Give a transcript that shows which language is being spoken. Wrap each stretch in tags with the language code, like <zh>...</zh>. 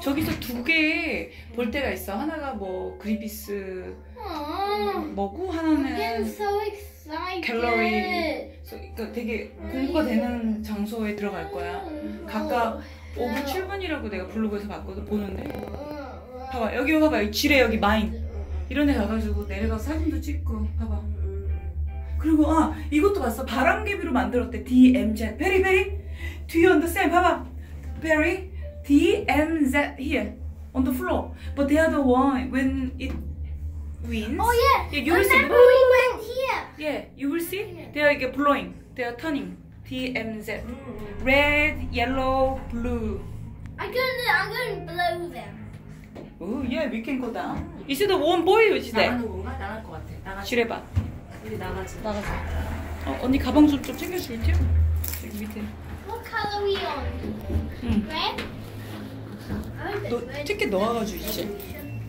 <ko>저기서 두 개 볼 데가 있어. 하나가 뭐 그리비스 뭐고 하나는 갤러리. 그러니까 되게 공부가 되는 장소에 들어갈 거야. 각각 5분 7분이라고 내가 블로그에서 봤거든. 보는데 봐봐, 여기 봐봐, 여기 지뢰, 여기 마인 이런 데 가가지고 내려가서 사진도 찍고 봐봐. 그리고 아, 이것도 봤어. 바람개비로 만들었대. DMZ.</ko> <en>베리 베리 Do you understand? 봐봐 베리 DMZ here on the floor. But they are the one when it winds. Oh yeah. Yeah, you will see. Remember we went here. Yeah, you will see. They are like blowing. They are turning. DMZ. Red, yellow, blue. I'm gonna blow them. Oh yeah, we can go down. Is it the one boy? Is it?</en> <ko>나가는 건가? 나갈 것 같아. 나가. 지뢰밭. 우리 나가자. 나가자. 어, 언니 가방 좀, 좀 챙겨줄게요. 여기 밑에.</ko> <en>What color are we on? 응. Red?</en> <ko>너 티켓 넣어가지고 있지?</ko>